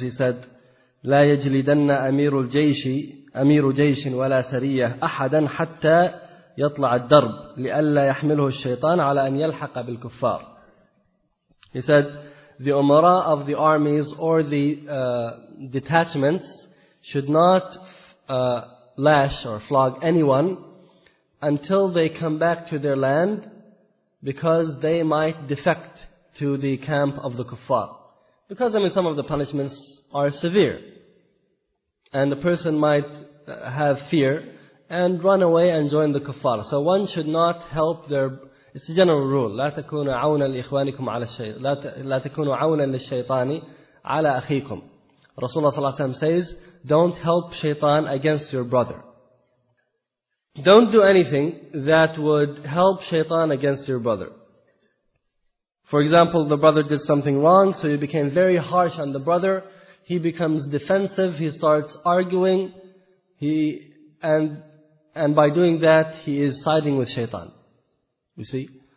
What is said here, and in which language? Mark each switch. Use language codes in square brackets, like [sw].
[en] He said, [ar] لا يجلدن أمير الجيش أمير جيش ولا سرية أحدا حتى يطلع الدرب لئلا يحمله الشيطان على أن يلحق بالكفار. [en] He said, the umara of the armies or the detachments should not lash or flog anyone until they come back to their land because they might defect to the camp of the kuffar. Because I mean, some of the punishments are severe. And the person might have fear and run away and join the kuffar. So one should not help their... It's a general rule. [ar] لا تكونوا عونا لإخوانكم على الشيطان. لا تكونوا عونا للشيطان على أخيكم. [en] Rasulullah [ar] صلى الله عليه وسلم [en] says, don't help shaitan against your brother. Don't do anything that would help shaitan against your brother. For example, the brother did something wrong, so you became very harsh on the brother. He becomes defensive, he starts arguing, and by doing that, he is siding with shaitan. You see?